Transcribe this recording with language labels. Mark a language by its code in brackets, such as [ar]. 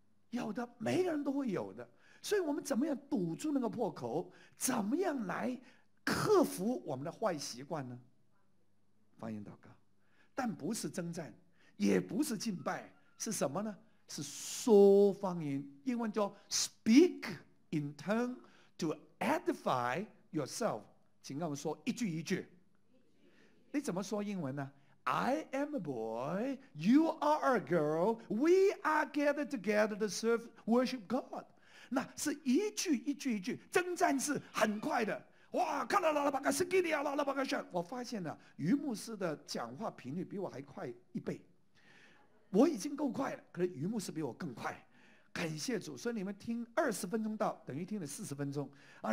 [zh] 有的，每个人都会有的。所以我们怎么样堵住那个破口，怎么样来克服我们的坏习惯呢？方言祷告，但不是征战，也不是敬拜，是什么呢？是说方言，英文叫 [en] speak in tongue to edify yourself。 [zh] 请跟我说一句一句，你怎么说英文呢？ [en] I am a boy, you are a girl, we are gathered together to serve, worship God. [zh] 那是一句一句一句，征战是很快的。哇，看到了吧？是给你啊，了吧？是。我发现了，于牧师的讲话频率比我还快一倍。我已经够快了，可是于牧师比我更快。感谢主，所以你们听20分钟到，等于听了40分钟啊！